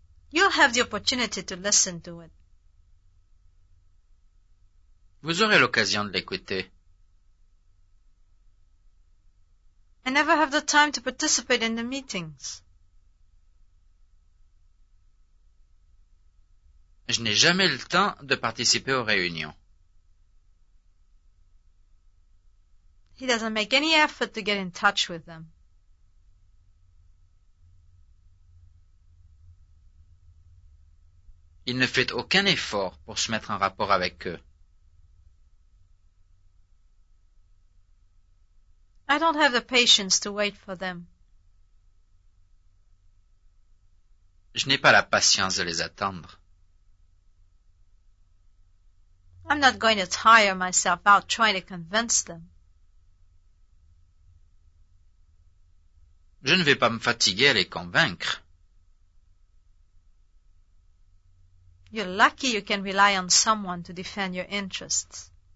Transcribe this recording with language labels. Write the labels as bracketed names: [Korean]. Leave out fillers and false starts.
[English] You'll have the opportunity to listen to it. [French] Vous aurez l'occasion de l'écouter. [English] I never have the time to participate in the meetings. [French] Je n'ai jamais le temps de participer aux réunions. [English] He doesn't make any effort to get in touch with them. [French] Il ne fait aucun effort pour se mettre en rapport avec eux. [English] I don't have the patience to wait for them. [French] Je n'ai pas la patience de les attendre. [English] I'm not going to tire myself out trying to convince them. [French] Je ne vais pas me fatiguer à les convaincre. [English] You're lucky you can rely on someone to defend your interests.